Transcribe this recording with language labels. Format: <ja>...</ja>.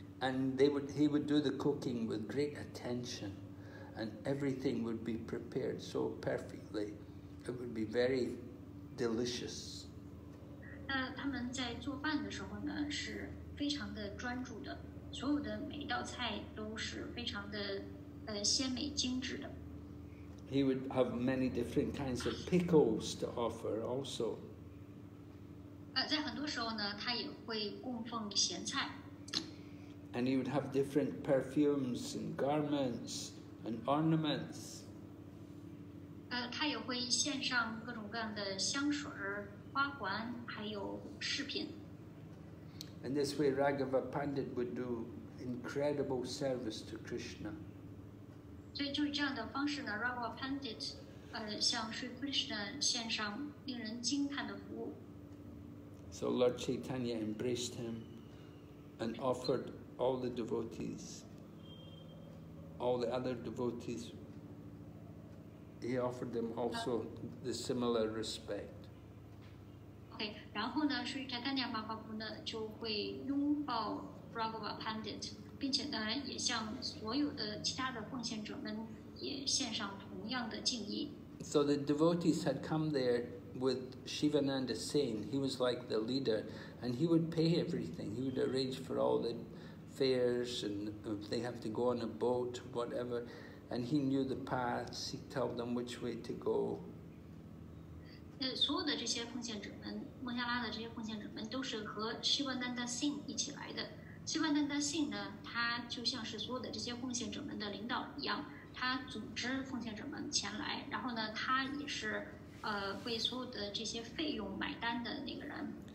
<en>And he would do the cooking with great attention, and everything would be prepared so perfectly. It would be very delicious.</en> <zh>那他们在做饭的时候呢，是非常的专注的。所有的每一道菜都是非常的鲜美精致的。</zh> <en>He would have many different kinds of pickles to offer also.</en> <zh>在很多时候呢他也会供奉咸菜。</zh> <en>And he would have different perfumes and garments and ornaments.</en> <zh>他也会献上各种各样的香水花环还有饰品。</zh> <en>In this way, Raghava Pandit would do incredible service to Krishna.</en> <zh>所以就是这样的方式呢 Rawa Pandit 向 Sri Krishna 献上令人惊叹的服务。</zh> <en>So Lord Chaitanya embraced him and offered all the devotees, all the other devotees, he offered them also the similar respect.</en> <zh>Okay, 然后呢，所以扎丹尼亚巴巴布呢就会拥抱 Raghava Pandit， 并且呢也向所有的其他的奉献者们也献上同样的敬意。</zh> <en>So the devotees had come there with Shivananda Sen. He was like the leader, and he would pay everything. He would arrange for all the fares, and if they have to go on a boat, whatever. And he knew the paths. He'd tell them which way to go.</en> <zh>所有的这些奉献者们，孟加拉的这些奉献者们都是和希万丹达信一起来的。希万丹达信呢，他就像是所有的这些奉献者们的领导一样，他组织奉献者们前来，然后呢，他也是为所有的这些费用买单的那个人。</zh>